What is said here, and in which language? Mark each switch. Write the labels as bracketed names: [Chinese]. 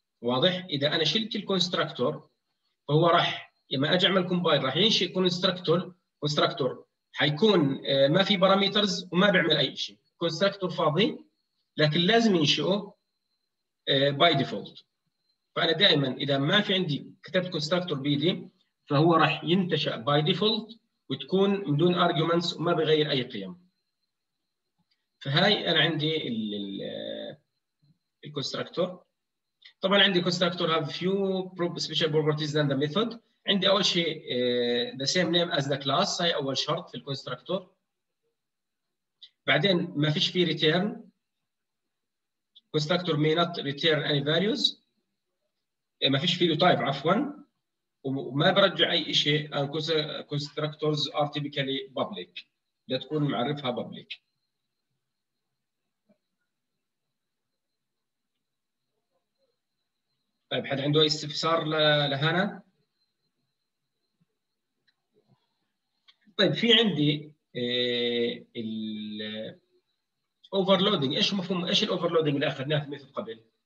[Arabic] واضح؟ إذا أنا شلت الكونستراكتور فهو راح لما أجي أعمل كومبايل راح ينشئ كونستراكتور حيكون ما في باراميترز وما بيعمل أي شيء، كونستراكتور فاضي، لكن لازم ينشئه باي ديفولت. فأنا دائما إذا ما في عندي كتبت كونستراكتور بيدي فهو راح ينتشأ باي ديفولت وتكون بدون arguments وما بغير أي قيم. فهاي أنا عندي ال constructor. طبعاً عندي [English] constructor have few special properties than the method. [Arabic] عندي أول شيء [English] the same name as the class، [Arabic] هاي أول شرط في constructor. بعدين ما فيش فيه return. [English] constructor may not return any values. [Arabic] ما فيش فيه type عفواً. وما برجع اي شيء [English] constructors are typically public، [Arabic] لا تكون معرفها public. طيب حد عنده استفسار لهنا؟ طيب في عندي ال overloading، ايش مفهوم ايش ال overloading اللي اخذناه مثل قبل؟